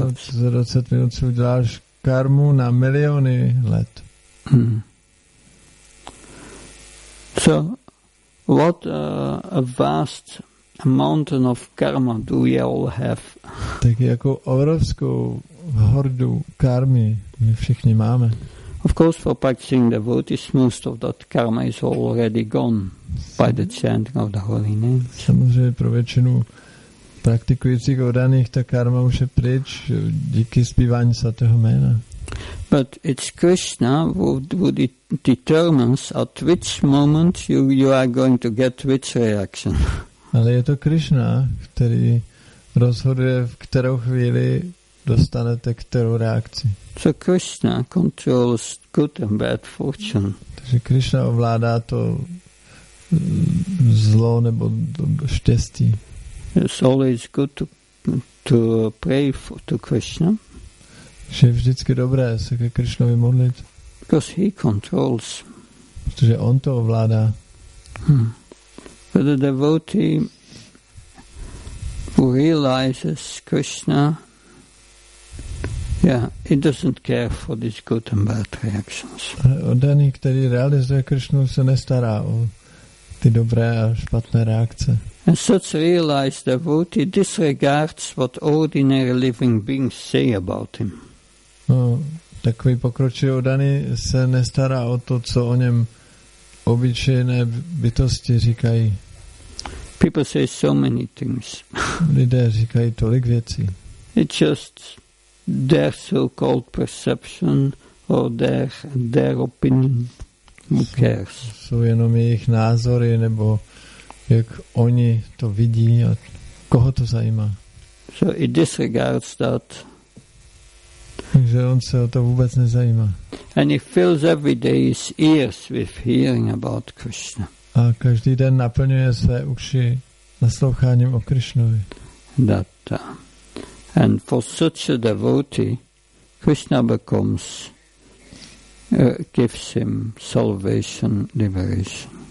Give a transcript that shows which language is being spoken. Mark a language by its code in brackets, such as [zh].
[cs] Za 20 minut si uděláš karmu na miliony let. Hmm. [en] So, what a vast mountain of karma do we all have? [cs] Tak jako obrovskou hordu karmy my všichni máme. [en] Of course, for practicing devotees, most of that karma is already gone by the chanting of the holy name. [cs] Samozřejmě pro většinu praktikujících oddaných ta karma už je pryč díky zpívání svatého jména. [en] But it's Krishna who determines at which moment you are going to get which reaction. [cs] Ale je to Krishna, který rozhoduje, v kterou chvíli dostanete kterou reakci. [en] So Krishna controls good and bad fortune. [cs] Takže Krishna ovládá to zlo nebo štěstí. [en] It's always good to pray to Krishna. [cs] Že je vždycky dobré se ke Krishnovi modlit. [en] Because he controls. [cs] Protože on to ovládá. Hmm. [en] But the devotee who realizes Krishna, yeah, it doesn't care for these good and bad reactions. [cs] Oddaný, který realizuje Krishnu, se nestará o ty dobré a špatné reakce. [en] And such realized devotee disregards what ordinary living beings say about him. [cs] No, takový pokročilý oddaný se nestará o to, co o něm obyčejné bytosti říkají. [en] People say so many things. [cs] Lidé říkají tolik věcí. [en] It's just their so-called perception or their opinion. Who cares? [cs] Jsou jenom jejich názory, nebo jak oni to vidí a koho to zajímá. [en] So it disregards that. [cs] Takže on se o to vůbec nezajímá. [en] And he fills every day his ears with hearing about Krishna. [cs] A každý den naplňuje své uši nasloucháním o Krishnovi. [en] That, and for such a devotee, Krishna becomes, gives him salvation, liberation.